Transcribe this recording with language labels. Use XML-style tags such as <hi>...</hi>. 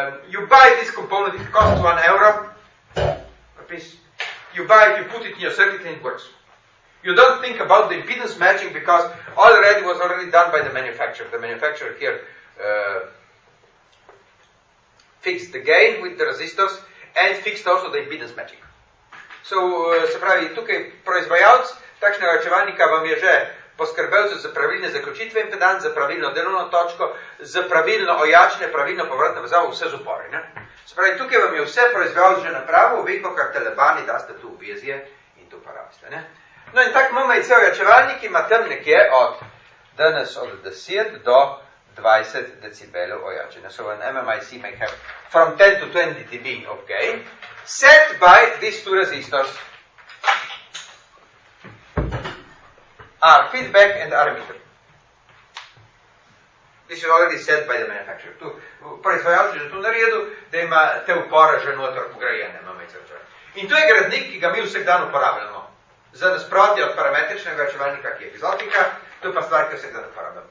<en>You buy this component, it costs 1 euro. A piece. You buy it, you put it in your circuit and it works. You don't think about the impedance matching because already was already done by the manufacturer. The manufacturer here fix the gain with the resistors and fix also the impedance matching.</en> <sl>So, se pravi, tukaj proizvajalc takšnega ojačevalnika vam je že poskrbel za pravilne zaključitve impedanc, za pravilno delovno točko, za pravilno ojačenje, pravilno povratno vezavo, vse z upori. Ne? Se pravi, tukaj vam je vse proizvajalc že napravil, vi kakor telebani daste tu v vizije in to porabite. No in tak imamo cel ojačevalnik, ima tam nekje od danes od 10 do 20 decibelov ojačenja.</sl> <en>So an MMIC may have from 10 to 20 dB of gain, set by these two resistors. R feedback and R meter. This is already set by the manufacturer.</en> <sl>Tu, proizvajalci že tu naredil, da ima te upore že noter ugrajene, imamo in cel ojačevalnik. In to je gradnik, ki ga mi vsak dan uporabljamo. Za nasprotje od parametričnega ojačevalnika, ki je epizotika, to je pa stvar, ki vsak dan uporabljamo.</sl>